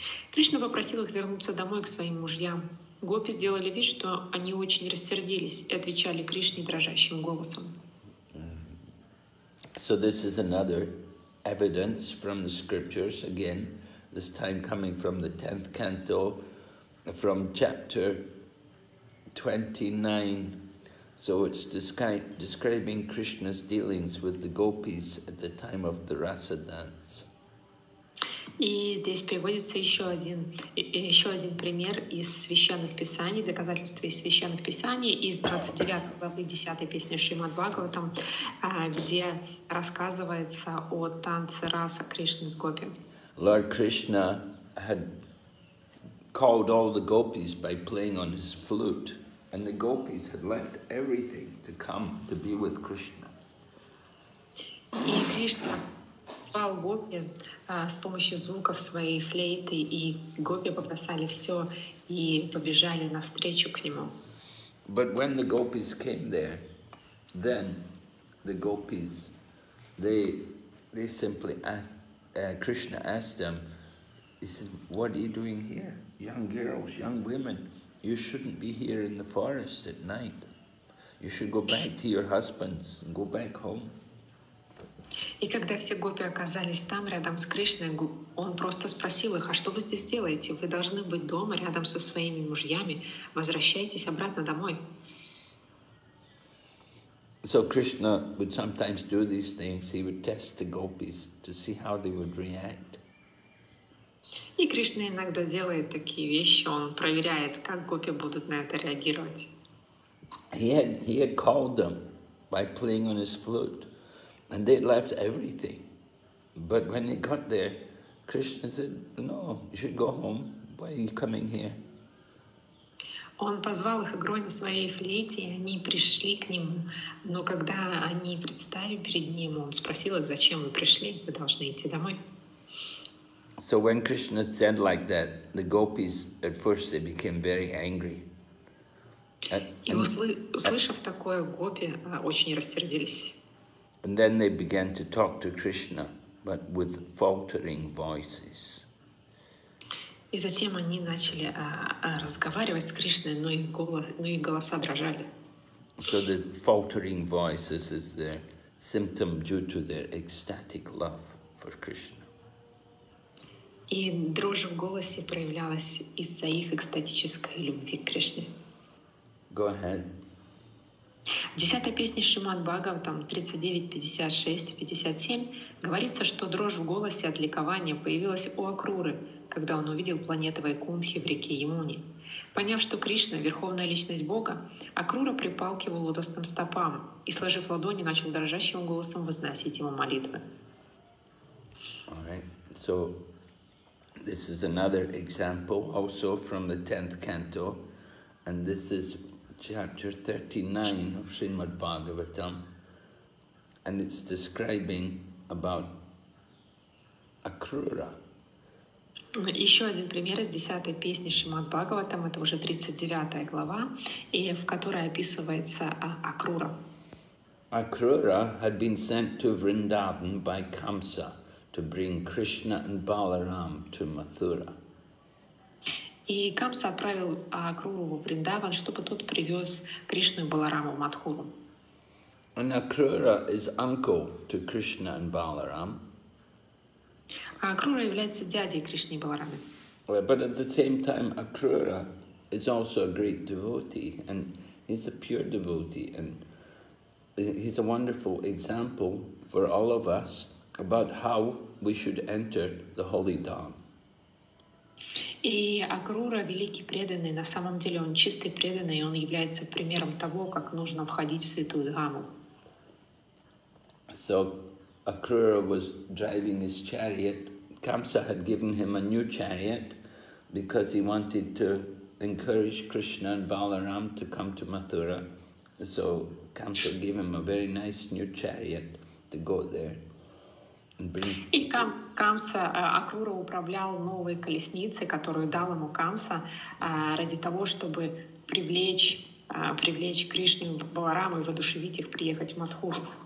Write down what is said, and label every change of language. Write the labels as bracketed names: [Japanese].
[Russian] Кришна попросил их вернуться домой к своим мужьям. Гопи сделали вид, что они очень рассердились и отвечали Кришне дрожащим голосом. [English] So this is another evidence from the scriptures, again, this time coming from the 10th canto, from chapter 29. So it's describing Krishna's dealings with the gopis at the time of the rasa dance. [Russian] И здесь приводится еще один пример из священных писаний, доказательство из священных писаний, из 29 главы 10 песни Шримад Бхагаватам, где рассказывается о танце раса Кришны с гопи. [English] Lord Krishna had called all the gopis by playing on his flute, and the gopis had left everything to come to be with Krishna. [Russian] И Кришна звал гопи с помощью звуков своей флейты, и гопи попросили все и побежали навстречу к нему. [English] But when the gopis came there, then the gopis, they simply asked, Krishna asked them, he said, what are you doing here? Young girls, young women, you shouldn't be here in the forest at night. You should go back to your husbands and go back home. [Russian] И когда все гопи оказались там, рядом с Кришной, он просто спросил их, а что вы здесь делаете? Вы должны быть дома, рядом со своими мужьями. Возвращайтесь обратно домой. [English] So Krishna would sometimes do these things. He would test the gopis to see how they would react. [Russian] И Кришна иногда делает такие вещи. Он проверяет, как гопи будут на это реагировать. [English] He had called them by playing on his flute. And they left everything. But when they got there, Krishna said, no, you should go home. Why are you coming here? [Russian] Он позвал их игрой на своей флейте, и они пришли к нему. Но когда они предстали перед ним, он спросил их, зачем вы пришли? Вы должны идти домой. [English] So when Krishna said like that, the gopis at first they became very angry. [Russian] И услышав такое, гопи очень рассердились. [English] And then they began to talk to Krishna, but with faltering voices. [Russian] И затем они начали разговаривать с Кришной, но их голоса дрожали. [English] So the faltering voices is their symptom due to their ecstatic love for Krishna. [Russian] И дрожь в голосе проявлялась из-за их экстатической любви к Кришне. [English] Go ahead. [Russian] Десятая песня Шримад Бхагаватам 39.56-57 говорится, что дрожь в голосе от ликования появилась у Акруры, когда он увидел планету Вайкунтхи в реке Ямуни. Поняв, что Кришна — верховная личность Бога, Акрура припал к его лотосным стопам и, сложив ладони, начал дрожащим голосом возносить ему молитвы. [English] All right. So this is another example also from the 10th canto, and this is chapter 39 of Srimad Bhagavatam, and it's describing about Акрура. [Russian] Еще один пример из 10 песни Шримад Бхагаватам, это уже 39 глава, и в которой описывается Акрура. [English] Акрура had been sent to Vrindavan by Kamsa to bring Krishna and Balaram to Mathura. [Russian] И Камса отправил Акруру в Вриндаван, чтобы тот привез Кришну и Баларама в Матхуру. [English] And Акрура is uncle to Krishna and Balaram. [Russian] А Акрура является дядей Кришны и Баларамы. [English] But at the same time, Акрура is also a great devotee, and he's a pure devotee, and he's a wonderful example for all of us about how we should enter the holy dharma. [Russian] И Акрура — великий преданный, на самом деле он чистый преданный, и он является примером того, как нужно входить в святую дхаму. [English] So Акрура was driving his chariot. Камса had given him a new chariot, because he wanted to encourage Krishna and Balaram to come to Mathura. So Kamsa gave him a very nice new chariot to go there and bring. [Russian] И Камса Акура управлял новой колесницей, которую дал ему Камса ради того, чтобы привлечь Кришну и Баларама и воодушевить их приехать в Матхуру.